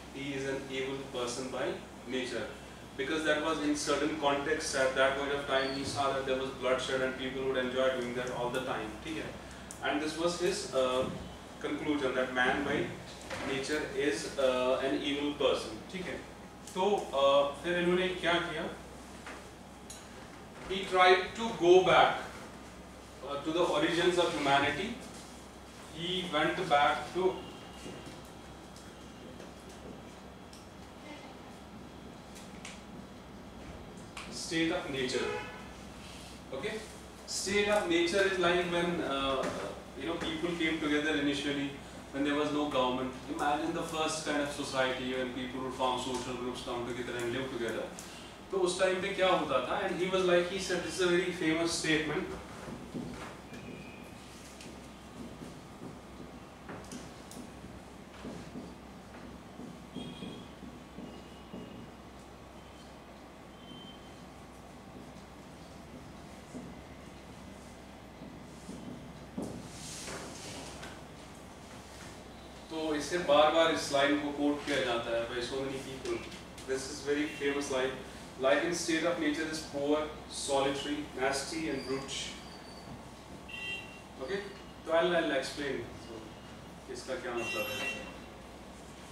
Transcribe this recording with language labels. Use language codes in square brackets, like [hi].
[en] He is an evil person by nature, because that was in certain contexts at that point of time. He saw that there was bloodshed and people would enjoy doing that all the time. Okay, and this was his conclusion that man by nature is an evil person. [hi] Okay, so फिर इन्होंने क्या किया? [en] He tried to go back to the origins of humanity. He went back to state of nature. Okay, state of nature is like when you know, people came together initially when there was no government. Imagine the first kind of society when people would form social groups, come together and live together. [hi] तो उस time पे क्या होता था? [en] and he was like, he said this is a very famous statement, [hi] तो इसे बार बार इस line को कोट किया जाता है [en] By so many people. This is very famous line. Life in state of nature is poor, solitary, nasty and brute. Okay, so I'll explain. So [hi] iska kya matlab hai?